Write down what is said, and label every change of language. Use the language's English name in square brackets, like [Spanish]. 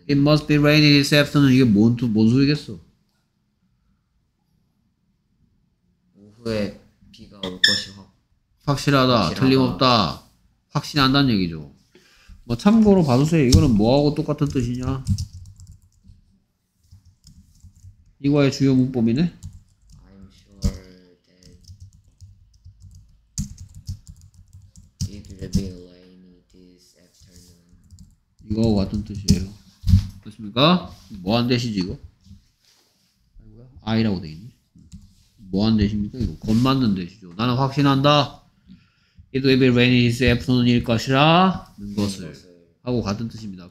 [English] It must be raining this afternoon. [Korean] 이게 뭔 소리겠어? 오후에 비가 올 것이 확실하다. 틀림없다. 확신한다는 얘기죠. 뭐 참고로 봐주세요. 이거는 뭐하고 똑같은 뜻이냐? 이거의 주요 문법이네? [English] I'm sure that it will be rainy this afternoon. [Korean] 이거하고 같은 뜻이에요. 그렇습니까? 뭐한 뜻이지 이거? 아이고야? I라고 돼있니? 뭐한 뜻입니까? 이거 곧 맞는 뜻이죠. 나는 확신한다. [English] It will be rainy this afternoon [Korean] 일 것이라 는 것을 하고 같은 뜻입니다.